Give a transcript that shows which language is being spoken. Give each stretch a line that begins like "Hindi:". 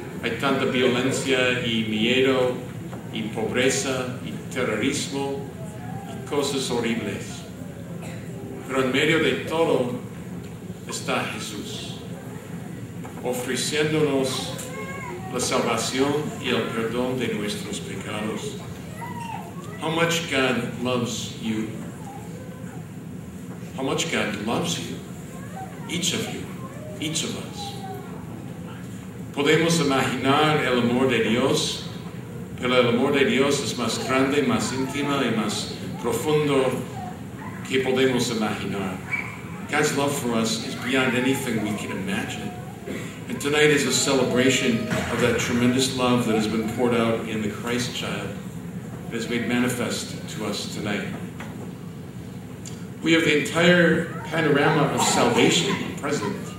Spanish: Hay tanta violencia y miedo y pobreza y terrorismo y cosas horribles. Pero en medio de todo está Jesús ofreciéndonos la salvación y el perdón de nuestros pecados.
English: How much God loves you. How much God loves you, each of you, each of us.
Spanish: Podemos imaginar el amor de Dios, pero el amor de Dios es más grande, más íntimo y más profundo que podemos imaginar.
English: God's love for us is beyond anything we can imagine. And tonight is a celebration of that tremendous love that has been poured out in the Christ child, that is made manifest to us tonight. We have the entire panorama of salvation present.